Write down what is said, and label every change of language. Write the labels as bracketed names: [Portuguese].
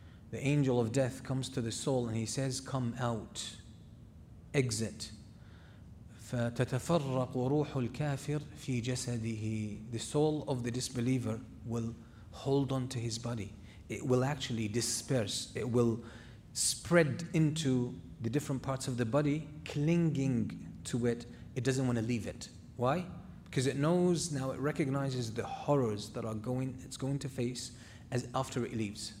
[English] The angel of death comes to the soul and he says, come out, exit. [Arabic] فتتفرق روح الكافر في جسده. [English] The soul of the disbeliever will hold on to his body. It will actually disperse. It will spread into the different parts of the body, clinging to it. It doesn't want to leave it. Why? Because it knows now, it recognizes the horrors that are going, it's going to face as after it leaves.